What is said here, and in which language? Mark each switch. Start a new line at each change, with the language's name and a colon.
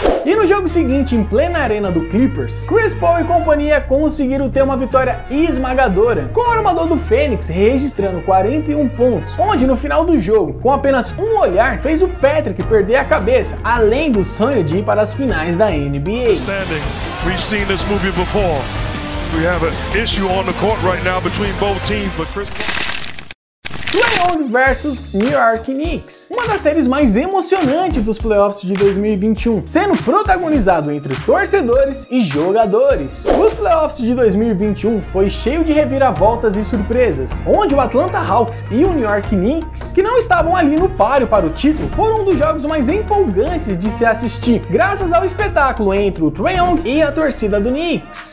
Portuguese: E no jogo seguinte, em plena arena do Clippers, Chris Paul e companhia conseguiram ter uma vitória esmagadora, com o armador do Fênix registrando 41 pontos, onde no final do jogo, com apenas um olhar, fez o Patrick perder a cabeça, além do sonho de ir para as finais da NBA.
English: We've seen this movie before. We have an issue on the court right now between both teams, but Chris Paul...
Portuguese: Wyoming versus New York Knicks, uma das séries mais emocionantes dos playoffs de 2021, sendo protagonizado entre torcedores e jogadores. Os playoffs de 2021 foi cheio de reviravoltas e surpresas, onde o Atlanta Hawks e o New York Knicks, que não estavam ali no páreo para o título, foram um dos jogos mais empolgantes de se assistir, graças ao espetáculo entre o Trae Young e a torcida do Knicks.